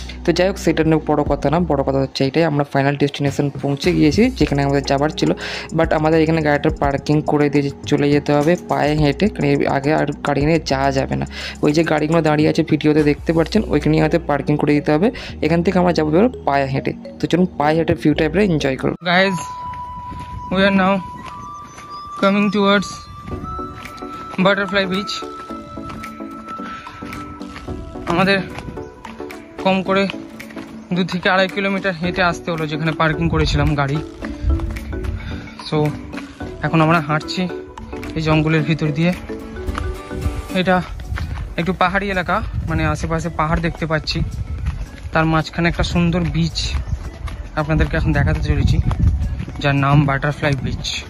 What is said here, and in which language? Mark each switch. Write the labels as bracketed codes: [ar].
[bn] তো যাই হোক, সেটা নিয়ে বড়ো কথা না, বড়ো কথা হচ্ছে এটাই, আমরা ফাইনাল ডেস্টিনেশন পৌঁছে গিয়েছি যেখানে আমাদের যাবার ছিল। বাট আমাদের এখানে গাড়িটা পার্কিং করে দিয়ে চলে যেতে হবে পায়ে হেঁটে, কারণ আগে আর গাড়ি নিয়ে যাওয়া যাবে না। ওই যে গাড়িগুলো দাঁড়িয়ে আছে ভিডিওতে দেখতে পারছেন, ওইখানেই আমাদের পার্কিং করে দিতে হবে। এখান থেকে আমরা যাবো এবার পায়ে হেঁটে। তো চলুন পায়ে হেঁটে ভিউটা এবারে এনজয় করুন। [en] Guys, we are now coming towards Butterfly Beach. [bn] আমাদের কম করে 2 থেকে 2.5 কিলোমিটার হেঁটে আসতে হলো যেখানে পার্কিং করেছিলাম গাড়ি। সো এখন আমরা হাঁটছি এই জঙ্গলের ভিতর দিয়ে। এটা একটু পাহাড়ি এলাকা, মানে আশেপাশে পাহাড় দেখতে পাচ্ছি, তার মাঝখানে একটা সুন্দর বিচ আপনাদেরকে এখন দেখাতে চলেছি, যার নাম বাটারফ্লাই বিচ।